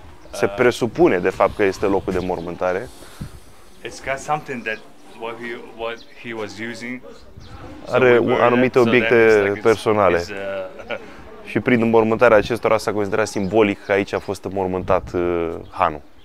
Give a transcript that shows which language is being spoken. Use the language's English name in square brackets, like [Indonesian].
[Romanian] Se presupune de fapt că este locul de mormântare. [English] It's got something that what he was using. [Romanian] Are anumite obiecte personale. Și prin mormântarea acestora s-a considerat simbolic că aici a fost mormântat hanul.